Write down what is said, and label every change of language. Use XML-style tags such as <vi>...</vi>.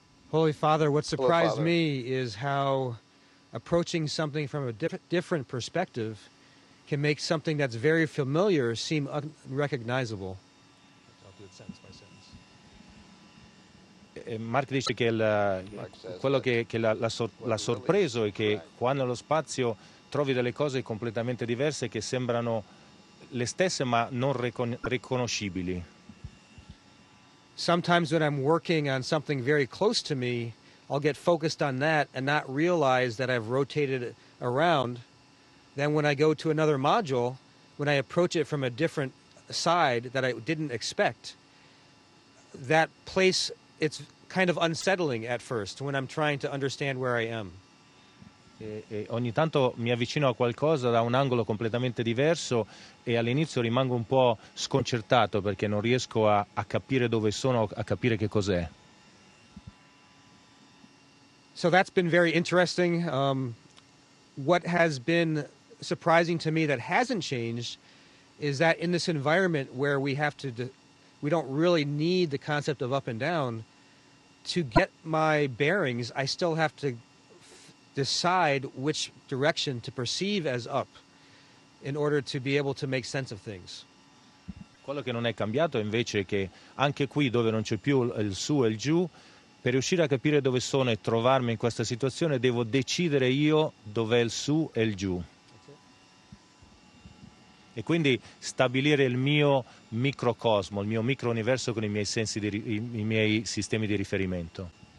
<en>Holy Father, what surprised me is how approaching something from a different perspective can make something that's very familiar seem unrecognizable.</en> <it>Mark dice che quello che l'ha sorpreso è che quando lo spazio trovi delle cose completamente diverse che sembrano le stesse ma non riconoscibili.</it> <en>Sometimes when I'm working on something very close to me, I'll get focused on that and not realize that I've rotated around. Then when I go to another module, when I approach it from a different side that I didn't expect, that place, it's kind of unsettling at first when I'm trying to understand where I am.</en> <it>E ogni tanto mi avvicino a qualcosa da un angolo completamente diverso e all'inizio rimango un po' sconcertato perché non riesco a capire dove sono, a capire che cos'è.</it> <en>So that's been very interesting. What has been surprising to me that hasn't changed is that in this environment where we don't really need the concept of up and down to get my bearings, I still have to decide which direction to perceive as up in order to be able to make sense of things.</en> <it>Quello che non è cambiato invece è che anche qui dove non c'è più il su e il giù, per riuscire a capire dove sono e trovarmi in questa situazione devo decidere io dov'è il su e il giù. E quindi stabilire il mio microcosmo, il mio micro universo con i miei sensi i miei sistemi di riferimento.</it>